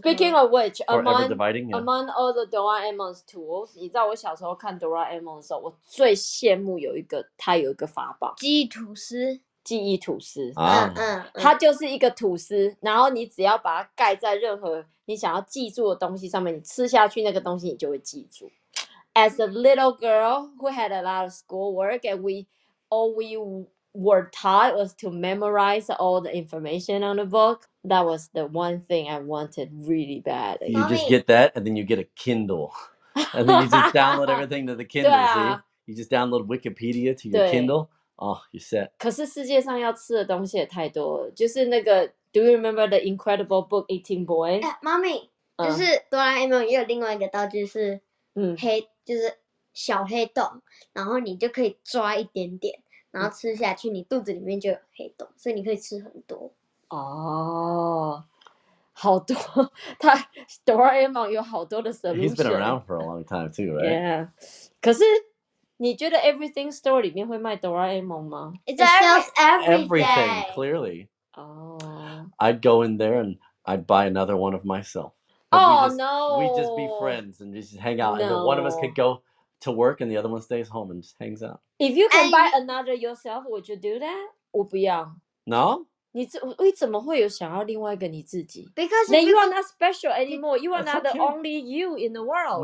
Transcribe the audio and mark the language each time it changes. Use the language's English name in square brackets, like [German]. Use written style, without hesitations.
[English] Speaking of which, among all the Doraemon's tools, [Chinese] 你知道我小时候看 Doraemon 的时候，我最羡慕有一个，它有一个法宝，记忆吐司。它就是一个吐司，然后你只要把它盖在任何你想要记住的东西上面，你吃下去那个东西，你就会记住。 [English] As a little girl who had a lot of schoolwork, and we were taught was to memorize all the information on the book. That was the one thing I wanted really bad. You just get that, and then you get a Kindle. And then you just download everything to the Kindle, see? You just download Wikipedia to your Kindle. Oh, you're set. [Chinese] 可是世界上要吃的东西也太多了。就是那个 [English] Do you remember the incredible book 18 boy? [Chinese] Mommy, 就是哆啦 A 梦也有另外一个道具是黑，就是小黑洞，然后你就可以抓一点点，然后吃下去，你肚子里面就有黑洞，所以你可以吃很多。哦，好多，他哆啦 A 梦有好多的 solution。 [English] He's been around for a long time too, right? Yeah. [Chinese] 可是你觉得 Everything Store 里面会卖哆啦 A 梦吗？ [English] It sells everything, clearly. Oh. I'd go in there and I'd buy another one of myself. Oh, We'd just be friends and just hang out. No. And then one of us could go to work and the other one stays home and just hangs out. If you can buy another yourself, would you do that? [Chinese] 我不要。 [English] No? [Chinese] 你为什么会有想要另外一个你自己 [English] ？Because then you are not special anymore. You are not the only you in the world.